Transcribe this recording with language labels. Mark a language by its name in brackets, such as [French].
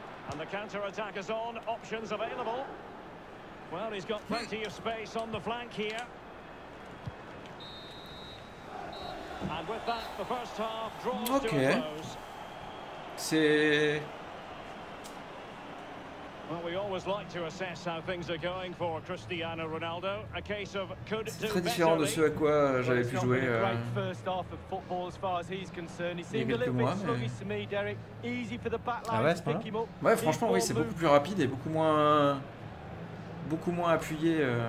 [English] And the counter-attack is on. Options available. Well, he's got plenty of space on the flank here. And with that, the first half draws to a close. C'est... Well, we always like to assess how things are going for Cristiano Ronaldo. A case of could do better. [French] Très différent de ce à quoi j'avais pu jouer. [English] First half of football, as far as he's concerned, he seemed a little bit sluggish to me, Derek. Easy for the back line to pick him up. [French] Ouais, franchement, oui, c'est beaucoup plus rapide et beaucoup moins appuyé.